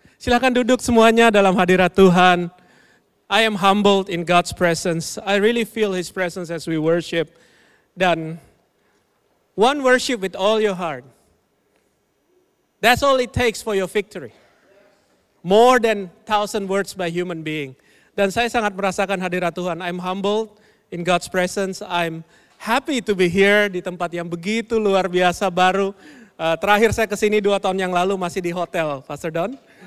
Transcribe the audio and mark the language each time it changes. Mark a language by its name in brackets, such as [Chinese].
[Indonesian] Silakan duduk semuanya dalam hadirat Tuhan. [English] I am humbled in God's presence. I really feel His presence as we worship. [Indonesian] Dan [English] one worship with all your heart. That's all it takes for your victory. More than 1,000 words by human being. [Indonesian] Dan saya sangat merasakan hadirat Tuhan. [English] I'm humbled in God's presence. I'm happy to be here [Indonesian] di tempat yang begitu luar biasa baru. Terakhir saya kesini 2 tahun yang lalu masih di hotel, Pastor Don.